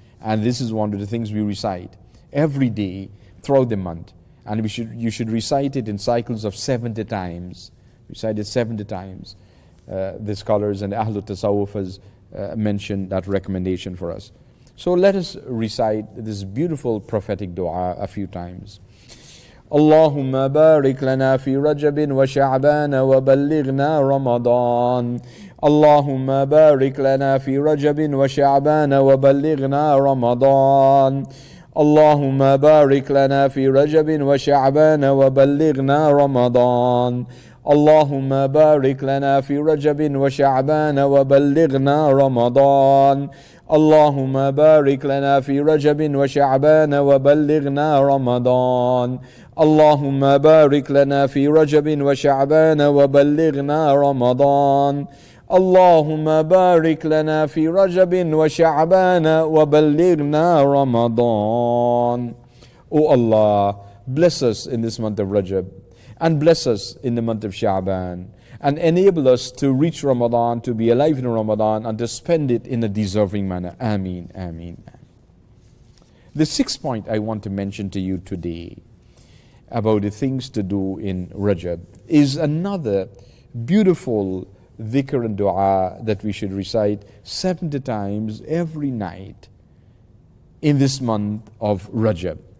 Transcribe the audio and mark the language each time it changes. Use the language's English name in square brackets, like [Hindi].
[English] And this is one of the things we recite every day throughout the month. And you should recite it in cycles of 70 times. Recite it 70 times. The scholars and Ahlul Tasawwuf has mentioned that recommendation for us. So let us recite this beautiful prophetic dua a few times. [Arabic] اللهم بارك لنا في رجب وشعبان وبلغنا رمضان. اللهم بارك لنا في رجب وشعبان وبلغنا رمضان. اللهم بارك لنا في رجب وشعبان وبلغنا رمضان. اللهم بارك لنا في رجب وشعبان وبلغنا رمضان. اللهم بارك لنا في رجب وشعبان وبلغنا رمضان. اللهم بارك لنا في رجب وشعبان وبلغنا رمضان. اللهم بارك لنا في رجب وشعبان وبلغنا رمضان. [English] Oh Allah, bless us in this month of Rajab, and bless us in the month of Sha'ban, and enable us to reach Ramadan, to be alive in Ramadan, and to spend it in a deserving manner. Ameen, ameen. The sixth point I want to mention to you today about the things to do in Rajab is another beautiful dhikr and dua that we should recite 70 times every night in this month of Rajab.